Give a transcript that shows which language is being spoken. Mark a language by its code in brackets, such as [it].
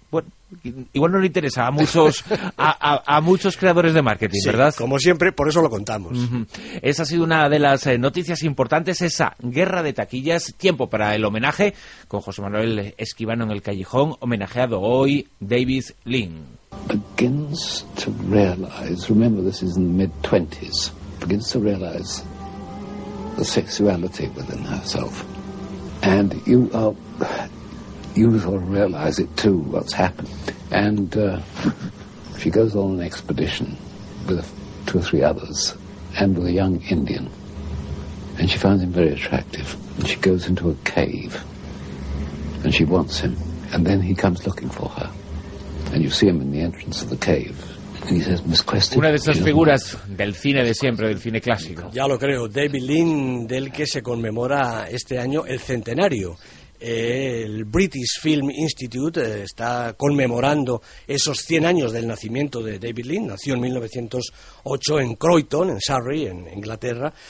[es] Bueno, igual no le interesa a muchos a muchos creadores de marketing, sí, ¿verdad? Como siempre, por eso lo contamos. Uh-huh. Esa ha sido una de las noticias importantes, esa guerra de taquillas, tiempo para el homenaje con José Manuel Esquivano en el callejón, homenajeado hoy David Lynn. [en] Begins to realize, remember this is in the mid-20s, begins to realize the sexuality within herself. And you are... You sort of realize it too, what's happened. And she goes on an expedition with two or three others and with a young Indian. And she finds him very attractive. And she goes into a cave and she wants him. And then he comes looking for her. And you see him in the entrance of the cave. [es] Una de esas figuras del cine de siempre, del cine clásico. Ya lo creo, David Lynn, del que se conmemora este año el centenario. El British Film Institute está conmemorando esos 100 años del nacimiento de David Lynn. Nació en 1908 en Croydon, en Surrey, en Inglaterra.